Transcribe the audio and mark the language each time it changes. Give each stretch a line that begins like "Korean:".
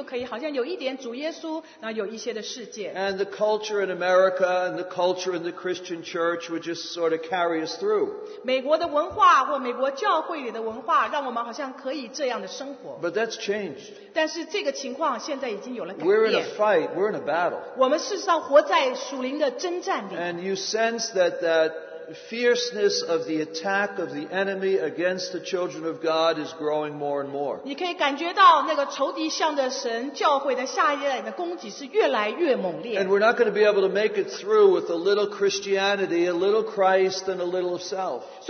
Chinese: 我指的是在美国的生活，我们很容易就可以好像有一点主耶稣，然后有一些的世界。
English: And the culture in America and the culture in the Christian church would just sort of carry us through.
Chinese: 美国的文化或美国教会里的文化，让我们好像可以这样的生活。
English: But that's changed.
Chinese: 但是这个情况现在已经有了改变。
English: We're in a fight. We're in a battle.
Chinese: 我们事实上活在属灵的征战里。
English: And you sense that fierceness of the attack of the enemy against the children of God is growing more and more.
Chinese: 你可以感觉到那个仇敌向着神教会的下一代的攻击是越来越猛烈。
English: And we're not going to be able to make it through with a little Christianity, a little Christ, and a little of self.